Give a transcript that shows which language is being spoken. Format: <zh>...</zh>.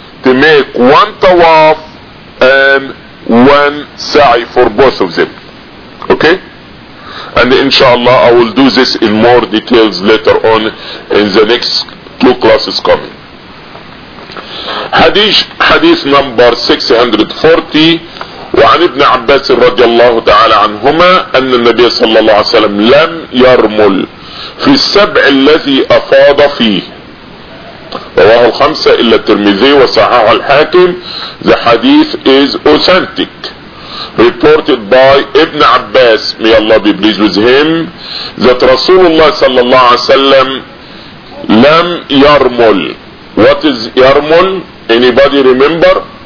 <en>To make one tawaf and one sa'i for both of them. Okay? And inshallah, I will do this in more details later on in the next two classes coming. Hadith number 640.</en> <ar>وعن ابن عباس رضي الله تعالى عنهما أن النبي صلى الله عليه وسلم لم يرمل في السبع الذي أفاض فيه رواه الخمسة إلا الترمذي وصححه الحاكم.</ar> <en>The hadith is authentic, reported by ابن عباس, may Allah be pleased with him, that</en> <ar>رسول الله صلى الله عليه وسلم لم يرمل.</ar> <en>What is يرمل? Anybody remember?</en>